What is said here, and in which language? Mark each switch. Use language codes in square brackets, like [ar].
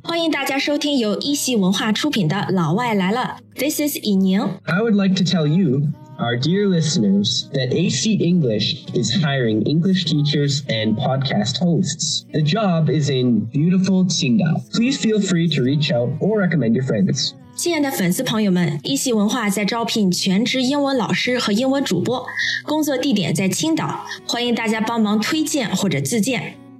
[zh] 欢迎大家收听由一席文化出品的《老外来了》。 [en] This is Yining. I would like to tell you, our dear listeners, that AC English is hiring English teachers and podcast hosts. The job is in beautiful Qingdao. Please feel free to reach out or recommend your friends. [zh] 亲爱的粉丝朋友们，一席文化在招聘全职英文老师和英文主播，工作地点在青岛，欢迎大家帮忙推荐或者自荐。